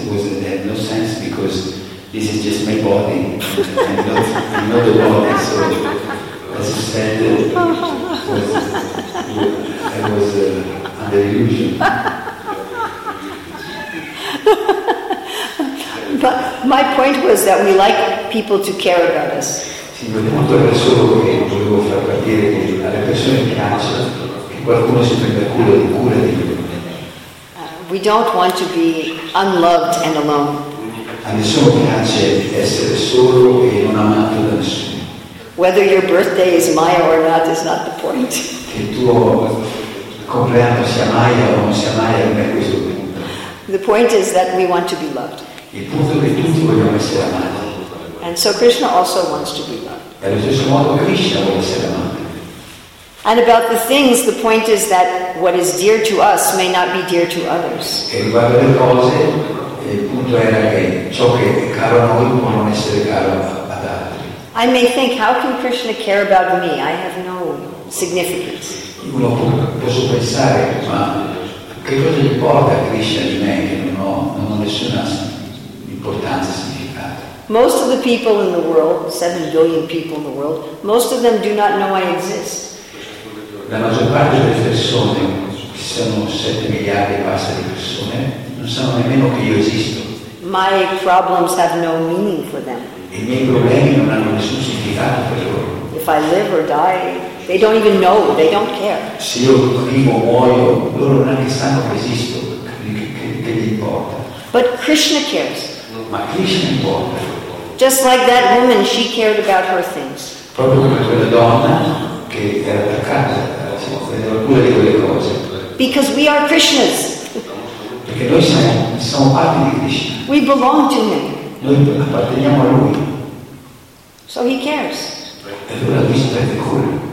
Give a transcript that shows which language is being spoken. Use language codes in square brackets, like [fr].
[en] It was had no sense because this is just my body and not the body. So as you said, I was under illusion. But my point was that we like people to care about us. [it] Sì, ma il punto era solo che volevo far capire che alle persone piace che qualcuno si prenda cura di cura di lui. [en] We don't want to be unloved and alone. [it] A nessuno piace essere solo e non amato da nessuno. [en] Whether your birthday is Maya or not is not the point. [it] Che il tuo compleanno sia Maya o non sia Maya non è questo il punto. [en] The point is that we want to be loved. [it] Il punto è che tutti vogliamo essere amati. [en] And so Krishna also wants to be loved. [it] E allo stesso modo Krishna vuole essere amato. [en] And about the things, the point is that what is dear to us may not be dear to others. [it] E riguardo le cose, il punto era che ciò che è caro a noi può non essere caro ad altri. [en] I may think, how can Krishna care about me? I have no significance. [it] Uno può pensare, ma che cosa importa Krishna di me? Che non ho nessuna importanza, significato. [en] Most of the people in the world, 7 billion people in the world, most of them do not know I exist. [it] La maggior parte delle persone, che sono 7 miliardi e passa di persone, non sanno nemmeno che io esisto. [en] My problems have no meaning for them. [it] I miei problemi non hanno nessun significato per loro. [en] If I live or die, they don't even know, they don't care. [it] Se io vivo o muoio, loro neanche sanno che esisto, che gli importa. [en] But Krishna cares. [it] Ma Krishna importa. [en] Just like that woman, she cared about her things. [it] Proprio come quella donna, che era attaccata alla cura di quelle cose. [en] Because we are Krishna's. [it] Perché noi siamo parte di Krishna. [en] We belong to him. [it] Noi apparteniamo a lui. [en] So he cares. [it] E allora lui si prende cura.